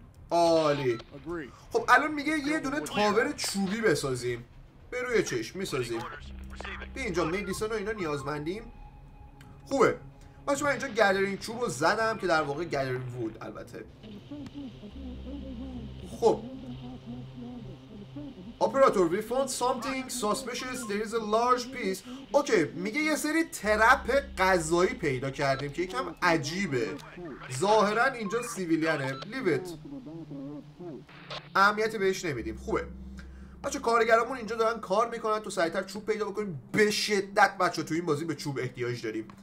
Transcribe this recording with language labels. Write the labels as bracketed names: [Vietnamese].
[Persian] عالی. خب الان میگه یه دونه تاور چوبی بسازیم، به روی چشم میسازیم. به اینجا میدیسن و اینا نیازمندیم. خوبه بچه، من اینجا گلرین چوب رو زدم که در واقع گلرین وود البته. [English] خب Operator, we found something suspicious. There is a large piece. [Persian] اوکی، میگه یه سری ترپ غذایی پیدا کردیم که یکم عجیبه. ظاهرا اینجا سیویلیانه. [English] Leave it. [Persian] اهمیتی بهش نمیدیم. خوبه. بچه کارگرامون اینجا دارن کار میکنن تو سریعتر چوب پیدا بکنیم. به شدت بچه تو این بازی به چوب احتیاج داریم.